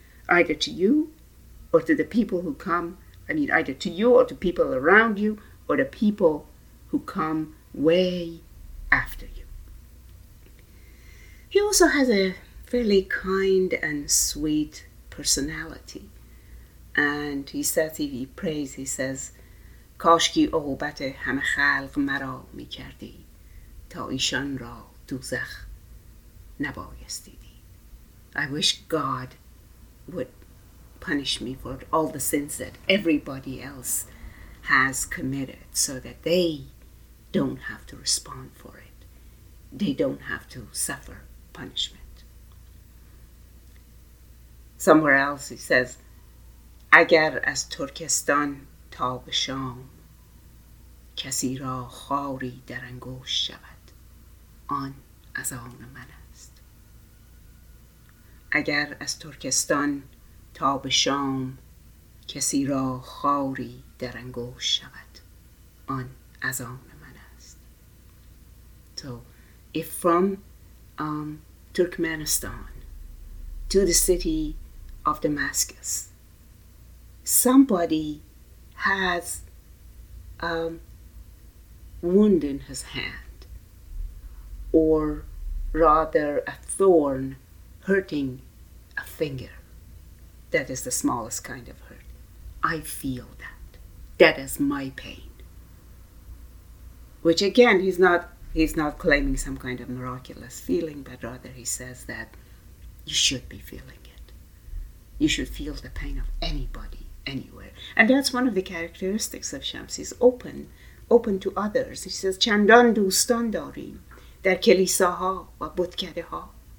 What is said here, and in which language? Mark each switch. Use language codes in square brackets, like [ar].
[en] Either to you or to the people who come. I mean, either to you or to people around you or the people who come way after you. He also has a fairly kind and sweet personality. And he says, he prays, he says, [fa] کاشکی عقوبت همه خلق مرا می کردی تا ایشان را دوزخ نبایستیدی. [en] I wish God would punish me for all the sins that everybody else has committed so that they don't have to respond for it. They don't have to suffer punishment. Somewhere else he says, [fa] اگر از ترکستان تا به شام کسی را خاری در انگوش شود آن از آن من است. اگر از ترکستان تا به شام کسی را خاری در انگوش شود آن از آن من است. [en] So if from Turkmenistan to the city of Damascus, somebody has a wound in his hand, or rather a thorn hurting a finger, that is the smallest kind of hurt. I feel that. That is my pain. Which again, he's not claiming some kind of miraculous feeling, but rather he says that you should be feeling. You should feel the pain of anybody, anywhere. And that's one of the characteristics of Shams. He's open to others. He says, [fa] چندان دوستان داریم در کلیساها و بتکده ها.